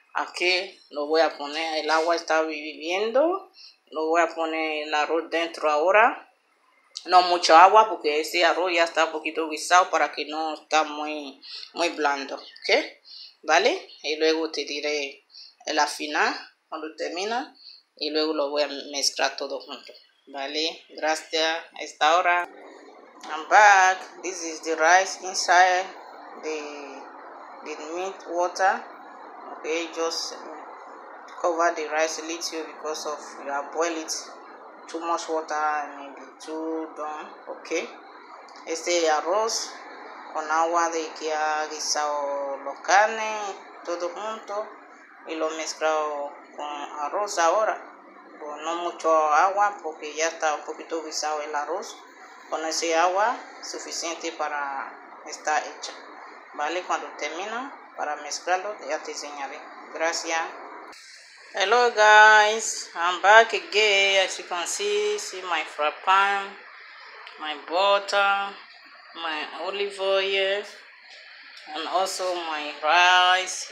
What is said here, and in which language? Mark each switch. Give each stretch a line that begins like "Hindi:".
Spanish: Aquí lo voy a poner, el agua está hirviendo, lo voy a poner el arroz dentro ahora, no mucha agua porque ese arroz ya está un poquito guisado para que no está muy blando, ¿ok? ¿Vale? Y luego te diré el final cuando termina y luego lo voy a mezclar todo junto, ¿vale? Gracias, hasta ahora.
English: I'm back, this is the rice inside the meat water. Okay, just cover the rice a little because of you have boiled it too much water and maybe too done.
Spanish: Okay, este arroz con agua de que ha guisado la carne todo junto y lo mezclado con arroz ahora, pero no mucho agua porque ya está un poquito guisado el arroz, con ese agua suficiente para estar hecha. Vale, cuando termina para mezclarlo, ya te enseñaré. Gracias.
English: Hello guys, I'm back again. As you can see my frappan, my butter, my olive oil, and also my rice.